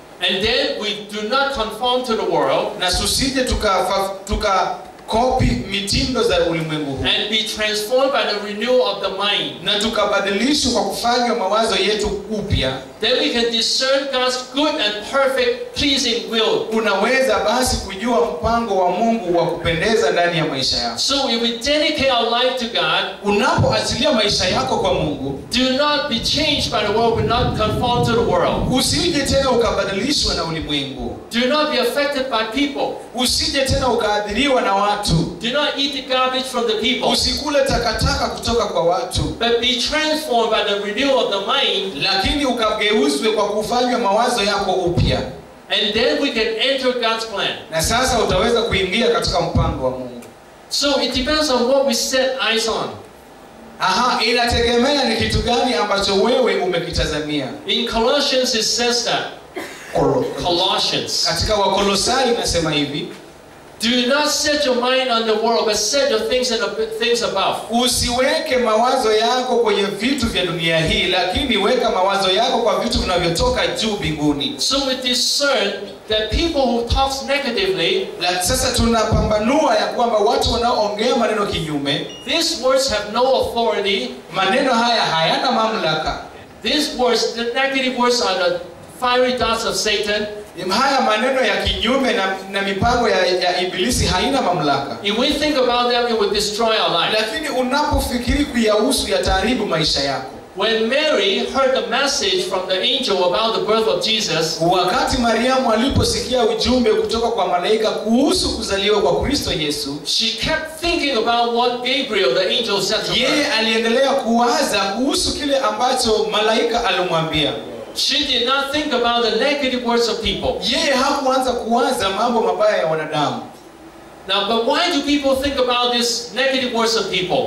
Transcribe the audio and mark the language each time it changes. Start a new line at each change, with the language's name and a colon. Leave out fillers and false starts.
English: and then we do not conform to the world,
Swahili: na susije tuka copy mitindo za ulimwengu huu,
English: and be transformed by the renewal of the mind,
Swahili: na tukabadilishwa kwa kufanywa mawazo yetu upya,
English: then we can discern God's good and perfect pleasing will.
Swahili: Unaweza basi kujua mpango wa Mungu wa kupendeza ndani ya maisha yako.
English: So if we dedicate our life to God,
Swahili: unapoachilia maisha yako kwa Mungu,
English: do not be changed by the world, but not conform to the world.
Swahili: Usije tena ukabadilishwa na ulimwengu.
English: Do not be affected by people.
Swahili: Usije tena ukaadhiriwa na watu.
English: Do not eat the garbage from the people.
Swahili: Usikule takataka kutoka kwa watu.
English: But be transformed by the renewal of the mind.
Swahili: Lakini ugeuzwe kwa kufanywa mawazo yako upya.
English: And then we can enter God's plan.
Swahili: Na sasa utaweza kuingia katika mpango wa Mungu.
English: So it depends on what we set eyes on.
Swahili: Aha, inategemea ni kitu gani ambacho wewe umekitazamia.
English: In Colossians it says that.
Swahili: Colossians. Katika Wakolosai inasema hivi.
English: Do not set your mind on the world, but set your things on the things above.
Swahili: Usiweke mawazo yako kwenye vitu vya dunia hii, lakini weka mawazo yako kwa vitu vinavyotoka juu mbinguni.
English: So we discern that people who talk negatively,
Swahili: sasa tunapambanua ya kwamba watu wanaoongea maneno kinyume,
English: these words have no authority.
Swahili: Maneno haya hayana mamlaka.
English: These words, the negative words, are the fiery darts of Satan.
Swahili: Haya maneno ya kinyume na mipango ya ibilisi haina mamlaka.
English: If we think about them, it will destroy our life.
Swahili: Lakini unapofikiri kuyahusu yataharibu maisha yako.
English: When Mary heard the message from the angel about the birth of Jesus,
Swahili: wakati Mariamu aliposikia ujumbe kutoka kwa malaika kuhusu kuzaliwa kwa Kristo Yesu,
English: she kept thinking about what Gabriel the angel said to her.
Swahili: Yeye aliendelea kuwaza kuhusu kile ambacho malaika alimwambia.
English: She did not think about the negative words of people.
Swahili: Yeye hakuanza kuwaza mambo mabaya ya wanadamu.
English: Now, but why do people think about this negative words of people?